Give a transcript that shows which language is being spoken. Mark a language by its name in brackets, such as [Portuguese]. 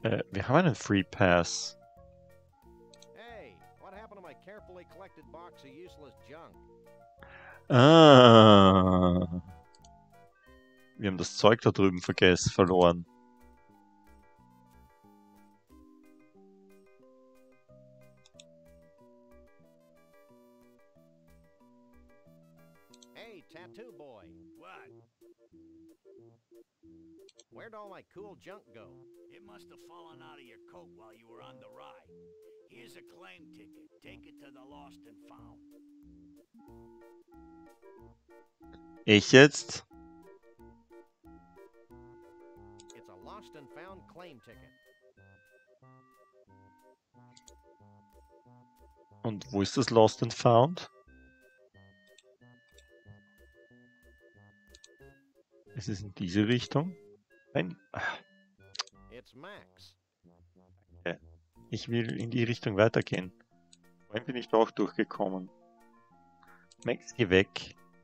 [German] Wir haben einen Free Pass. [English] Hey, what happened to my carefully collected box of useless junk? Ah. [German] Wir haben das Zeug da drüben vergessen, verloren. [English] Hey, Tattoo Boy. What? Where'd all my cool junk go? It must have fallen out of your coat while you were on the ride. Here's a claim ticket. Take it to the lost and found. [German] Ich jetzt? [English] It's a lost and found claim ticket. [German] Und wo ist das lost and found? Es ist in diese Richtung. Nein. [English] It's Max. Okay. [German] Ich will in die Richtung weitergehen. Vorhin bin ich doch durchgekommen. Max, geh weg.